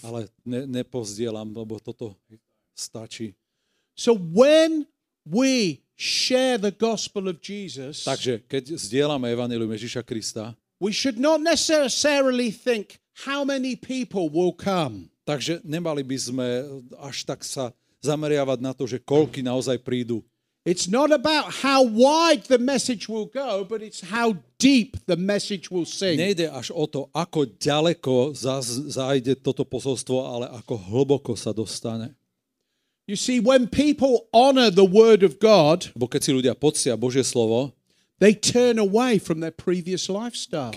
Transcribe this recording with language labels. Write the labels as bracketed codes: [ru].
[sk] Ale nepozdieľam, lebo toto stačí. [en] So when we share the gospel of Jesus, [sk] takže keď zdieľame evanjelium Ježiša Krista, [en] we should not necessarily think how many people will come. [sk] Takže nemali by sme až tak sa zameriavať na to, že koľko naozaj prídu. [en] It's not about how wide the message will go, but it's how deep the message will sink. [sk] Nejde až o to, ako ďaleko zájde toto posolstvo, ale ako hlboko sa dostane. [en] You see, when people honor the word of God, [sk] bo keď si ľudia poctia Božie slovo, [en] they turn away from their previous lifestyle.